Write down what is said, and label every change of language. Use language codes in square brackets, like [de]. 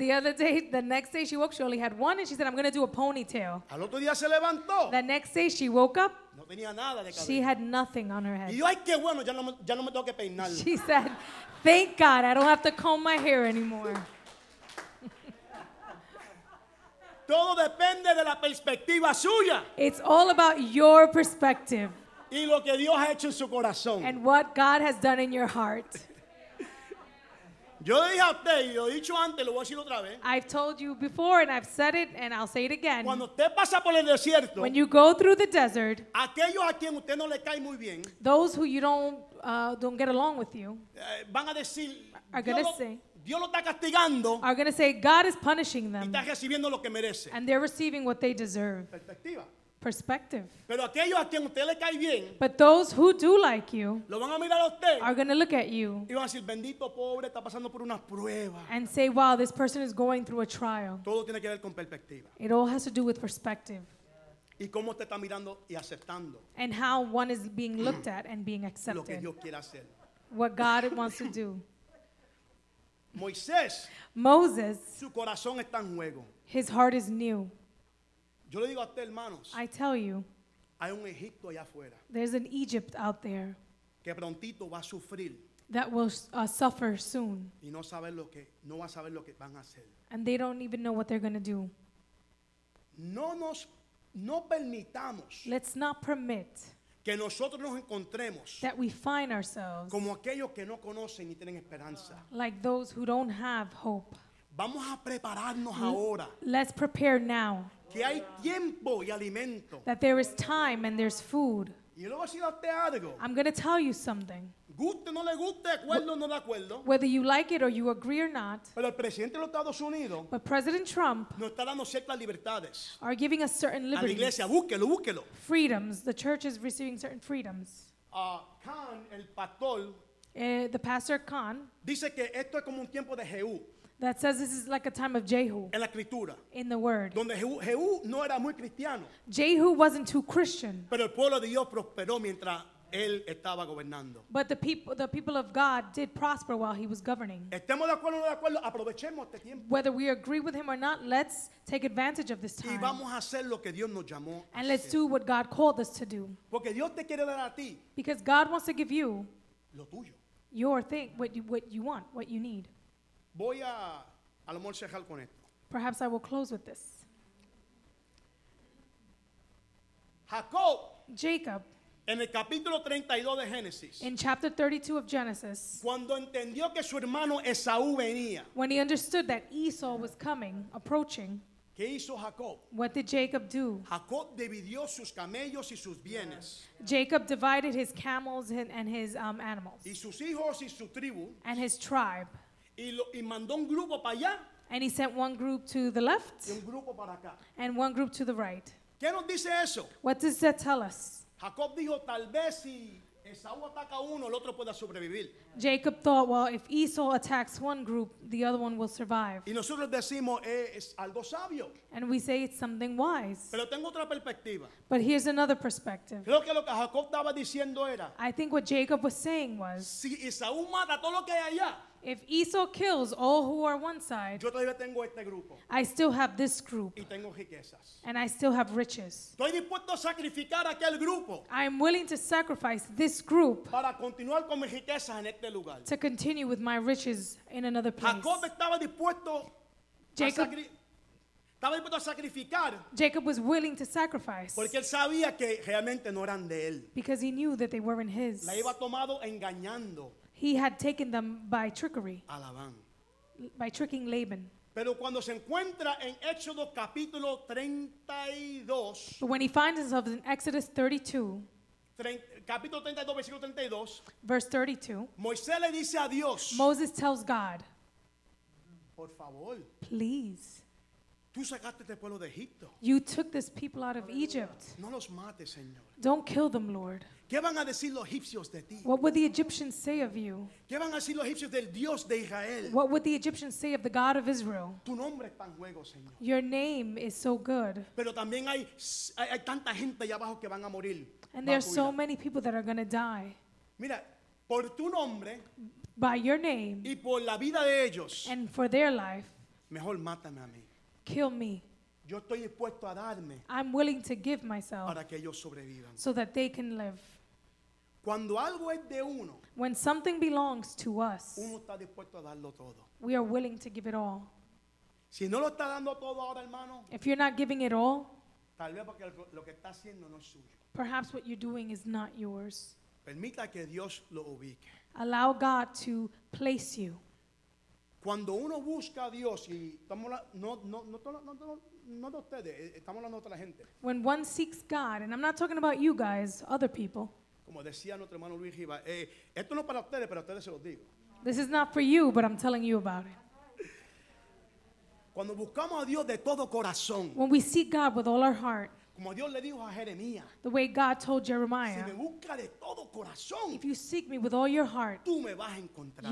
[en] the other day, the next day she woke, she only had one and she said, I'm going to do a ponytail. The next day she woke up. [es] No tenía nada de cabello. [en] She had nothing on her head. [es] Y yo, ay, qué bueno, ya no me tengo que peinar. [en] She said, thank God, I don't have to comb my hair anymore. [es] Todo depende de la perspectiva suya. [en] It's all about your perspective. [es] Y lo que Dios ha hecho en su corazón. [en] And what God has done in your heart. [es] Yo dije a usted, y lo he dicho antes, lo voy a decir otra vez. [en] I've told you before, and I've said it, and I'll say it again. [es] Cuando usted pasa por el desierto, [en] when you go through the desert, [es] aquellos a quien usted no le cae muy bien, [en] those who you don't get along with you, [es] van a decir, [en] are going to say, [es] Dios lo está castigando, [en] are going to say, God is punishing them, [es] y está recibiendo lo que merece. [en] And they're receiving what they deserve. [es] Perspectiva. [en] Perspective. [es] Pero aquellos a quien usted le cae bien, [en] but those who do like you [es] lo van a mirar a usted, [en] are going to look at you [es] y van a decir, bendito, pobre, está pasando por una prueba, [en] and say, wow, this person is going through a trial. [es] Todo tiene que ver con perspectiva. [en] It all has to do with perspective. [es] Y cómo usted está mirando y aceptando. [en] And how one is being looked at and being accepted. [es] Lo que Dios quiere hacer. [en] What God wants to do. [es] Moisés, [en] Moses, [es] su corazón está en juego. [en] His heart is new. [es] Yo le digo a usted, hermanos, [en] I tell you, [es] hay un Egipto allá afuera, [en] there's an Egypt out there [es] que prontito va a sufrir, [en] that will suffer soon. [es] Y no saber lo que, no va a saber lo que van a hacer. [en] And they don't even know what they're going to do. [es] No permitamos, [en] let's not permit, [es] que nosotros nos encontremos, [en] that we find ourselves, [es] como aquellos que no conocen ni tienen esperanza, [en] like those who don't have hope. [es] Vamos a prepararnos ahora. [en] Let's prepare now. [es] Que hay tiempo y alimento. [en] That there is time and there's food. [es] Y luego si lo te algo. [en] I'm going to tell you something. [es] Guste no le guste, acuerdo no de acuerdo. [en] Whether you like it or you agree or not. [es] Pero el presidente de los Estados Unidos. [en] But President Trump. [es] Nos está dando ciertas libertades. [en] Are giving us certain liberties. [es] A la iglesia, búsquelo, búsquelo. [en] Freedoms. The church is receiving certain freedoms. [es] Khan, el pastor. [en] The pastor Khan. [es] Dice que esto es como un tiempo de Jehú. [en] That says this is like a time of Jehu. [es] En la escritura. [en] In the word. [es] Donde Jehu no era muy cristiano. [en] Jehu wasn't too Christian. [es] Pero el pueblo de Dios prosperó mientras él estaba gobernando. [en] But the people of God did prosper while he was governing. [es] Estemos de acuerdo o no de acuerdo, aprovechemos este tiempo. [en] Whether we agree with him or not, let's take advantage of this time. [es] Y vamos a hacer lo que Dios nos llamó. [en] And let's do what God called us to do. [es] Porque Dios te quiere dar a ti. [en] Because God wants to give you [es] lo tuyo. [en] Your thing, what you want, what you need. [es] Voy a lo mejor cerrar con esto. [en] Perhaps I will close with this. [es] Jacob. En el capítulo 32 de Génesis. [en] In chapter 32 of Genesis. [es] Cuando entendió que su hermano Esaú venía. [en] When he understood that Esau was coming, approaching. [es] ¿Qué hizo Jacob? [en] What did Jacob do? [es] Jacob dividió sus camellos y sus bienes. [en] Jacob divided his camels and his animals. [es] Y sus hijos y su tribu. [en] And his tribe. [es] Y mandó un grupo para allá. [en] And he sent one group to the left. [es] Y un grupo para acá. [en] And one group to the right. [es] ¿Qué nos dice eso? [en] What does that tell us? [es] Jacob dijo, tal vez si Esaú ataca uno, el otro pueda sobrevivir. [en] Jacob thought, well, if Esau attacks one group, the other one will survive. [es] Y nosotros decimos, es algo sabio. [en] And we say it's something wise. [es] Pero tengo otra perspectiva. [en] But here's another perspective. [es] Creo que lo que Jacob estaba diciendo era, [en] I think what Jacob was saying was, [es] si Esaú mata todo lo que hay allá, [en] if Esau kills all who are one side, [es] yo todavía tengo este grupo. [en] I still have this group. [es] Y tengo riquezas. [en] And I still have riches. [es] Estoy dispuesto a sacrificar aquel grupo. [en] I'm willing to sacrifice this group [es] para continuar con mis riquezas en este lugar. [en] To continue with my riches in another place. [es] Jacob estaba dispuesto [en] Jacob, [es] estaba dispuesto a sacrificar. [en] Jacob was willing to sacrifice. [es] Porque él sabía que realmente no eran de él. [en] Because he knew that they weren't his. [es] La iba tomado engañando. [en] He had taken them by trickery. [es] A Labán. [en] By tricking Laban. [es] Pero cuando se encuentra en Éxodo capítulo 32. [en] But when he finds himself in Exodus 32. [es] Capítulo 32, versículo 32. [en] Verse 32. [es] Moisés le dice a Dios. [en] Moses tells God. [es] Por favor. [en] Please. [es] Tú sacaste este pueblo de Egipto. [en] You took this people out of Egypt. [es] No los mates, Señor. [en] Don't kill them, Lord. [es] ¿Qué van a decir los egipcios de ti? [en] What would the Egyptians say of you? [es] ¿Qué van a decir los egipcios del Dios de Israel? [en] What would the Egyptians say of the God of Israel? [es] Tu nombre es tan juego, Señor. [en] Your name is so good. [es] Pero también hay tanta gente allá abajo que van a morir. [en] And there are so many people that are going to die. [es] Mira, por tu nombre, [en] by your name, [es] y por la vida de ellos, [en] and for their life, [es] mejor mátame a mí. [en] Kill me. [es] Yo estoy dispuesto a darme. [en] I'm willing to give myself [es] para que ellos sobrevivan. [en] So that they can live. [es] Cuando algo es de uno, [en] when something belongs to us, [es] uno está dispuesto a darlo todo. [en] We are willing to give it all. [es] Si no lo está dando todo ahora, hermano, [en] if you're not giving it all, [es] tal vez porque lo que está haciendo no es suyo. [en] Perhaps what you're doing is not yours. [es] Permita que Dios lo ubique. [en] Allow God to place you. [es] Cuando uno busca a Dios y no ustedes, estamos hablando de otra gente. [en] When one seeks God, and I'm not talking about you guys, other people. [es] Como decía nuestro hermano Luis Riva, esto no para ustedes, pero ustedes se los digo. [en] This is not for you, but I'm telling you about it. [es] Cuando buscamos a Dios de todo corazón. [en] When we seek God with all our heart. [es] Como Dios le dijo a Jeremías. [en] The way God told Jeremiah. [es] Si me busca de todo corazón. [en] If you seek me with all your heart. [es] Tú me vas a encontrar.